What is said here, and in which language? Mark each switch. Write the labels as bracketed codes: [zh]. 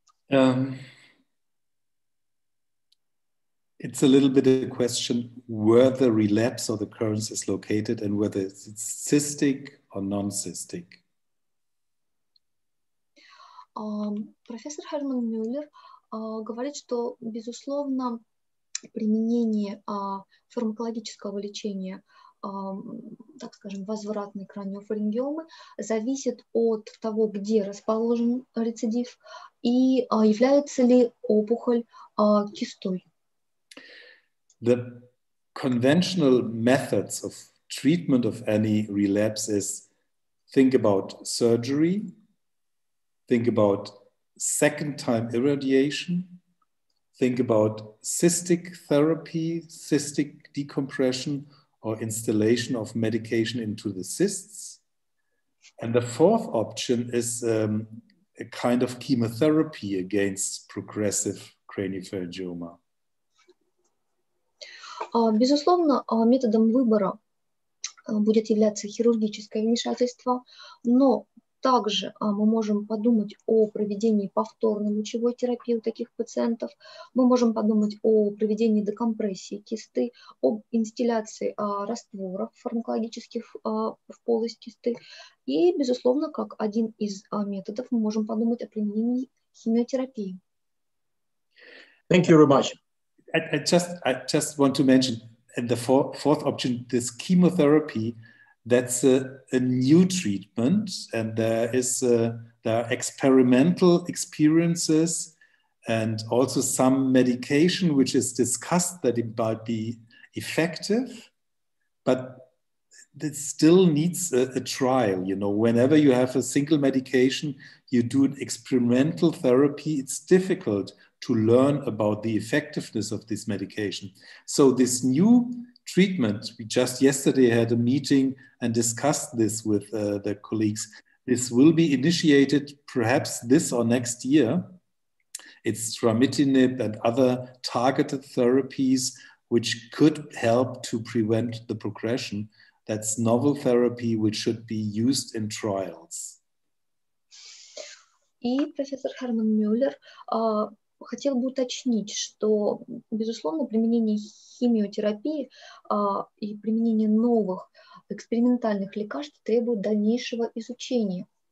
[en] It's a little bit of a question where the relapse or the recurrence is located and whether it's cystic or non-cystic. [ru] Профессор Херман Мюллер говорит, что, безусловно, применение фармакологического лечения, так скажем, возвратной краниофарингиомы, зависит от того, где расположен рецидив и является ли опухоль кистой. [en] The conventional methods of treatment of any relapse is think about surgery, think about second time irradiation, think about cystic therapy, cystic decompression, or instillation of medication into the cysts. And the fourth option is a kind of chemotherapy against progressive craniopharyngioma. [ru] Безусловно, методом выбора будет являться хирургическое вмешательство, но также мы можем подумать о проведении повторной лучевой терапии у таких пациентов, мы можем подумать о проведении декомпрессии кисты, об инстилляции растворов фармакологических в полость кисты. И, безусловно, как один из методов, мы можем подумать о применении химиотерапии. [en] Thank you very much. I just want to mention, and the fourth option, this chemotherapy, that's a new treatment, and there are experimental experiences, and also some medication which is discussed that it might be effective, but it still needs a trial. You know, whenever you have a single medication, you do an experimental therapy, it's difficult to learn about the effectiveness of this medication. So this new treatment, we just yesterday had a meeting and discussed this with the colleagues. This will be initiated perhaps this or next year. It's trametinib and other targeted therapies which could help to prevent the progression. That's novel therapy which should be used in trials. [ru] И профессор Херман Мюллер хотел бы уточнить, что, безусловно, применение химиотерапии и применение новых экспериментальных лекарств требует дальнейшего изучения.